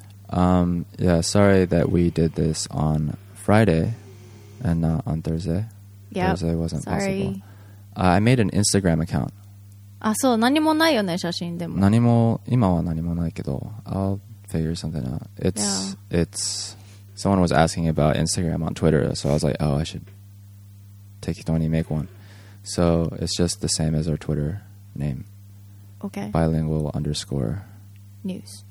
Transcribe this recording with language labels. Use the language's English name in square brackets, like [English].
[English] Yeah, sorry that we did this on Friday and not on Thursday. Yeah, Thursday wasn't sorry. possible. I made an Instagram account. [Japanese] あ、そう、何もないよね、写真でも。何も、今は何もないけど、 [English] I'll figure something out. It's, someone was asking about Instagram on Twitter, so I was like, oh, I should take it on and make one. So it's just the same as our Twitter name. Okay. Bilingual _ News.